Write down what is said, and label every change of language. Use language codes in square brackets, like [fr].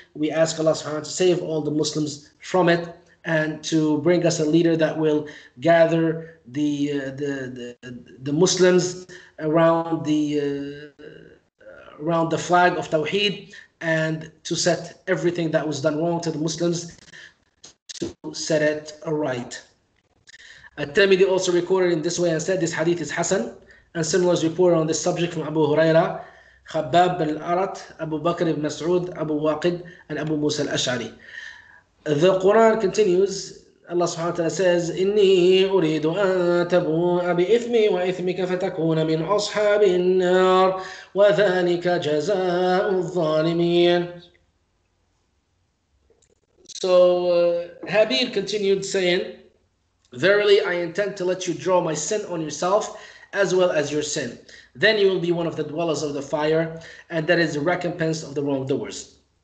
[en] We ask Allah subhanahu wa ta'ala to save all the Muslims from it, and to bring us a leader that will gather the Muslims around the flag of Tawheed, and to set everything that was done wrong to the Muslims, to set it right. At-Tirmidhi also recorded in this way and said, this hadith is Hassan, and similar is reported on this subject from Abu Huraira, Khabbab bin al-Arat, Abu Bakr ibn Mas'ud, Abu Waqid, and Abu Musa al-Ash'ari. The Quran continues, Allah subhanahu wa ta'ala says, [ar] إِنِّي أُرِيدُ أَن تَبُوءَ بِإِثْمِي وَإِثْمِكَ فَتَكُونَ مِنْ أَصْحَابِ النَّارِ وَذَٰلِكَ جَزَاءُ الظَّالِمِينَ. [en] So Habib continued saying, verily I intend to let you draw my sin on yourself as well as your sin. Then you will be one of the dwellers of the fire, and that is the recompense of the wrongdoers.